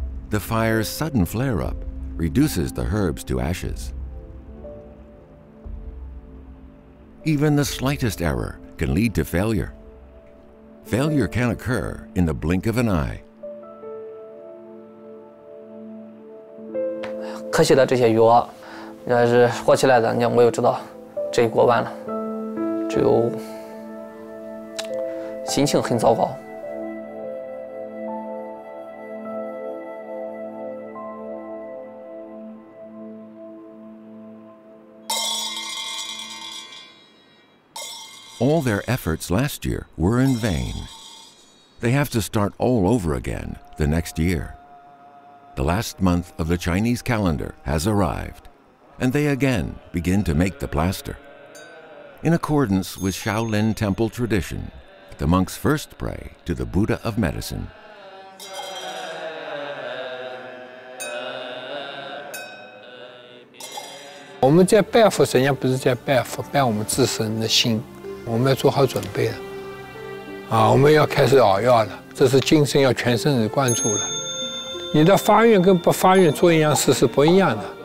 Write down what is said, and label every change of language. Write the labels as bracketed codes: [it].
[en] The fire's sudden flare-up reduces the herbs to ashes. Even the slightest error can lead to failure. Failure can occur in the blink of an eye. [zh] 可惜的这些药，要是火起来的，你看我又知道这一锅完了，只有心情很糟糕。 [en] All their efforts last year were in vain. They have to start all over again the next year. The last month of the Chinese calendar has arrived, and they again begin to make the plaster. In accordance with Shaolin Temple tradition, the monks first pray to the Buddha of medicine. We are praying for the Lord, not for ourselves, but for our own heart. [zh] 我们要做好准备了，啊，我们要开始熬药了，这是精神要全身的贯注了。你的发愿跟不发愿做一样事是不一样的。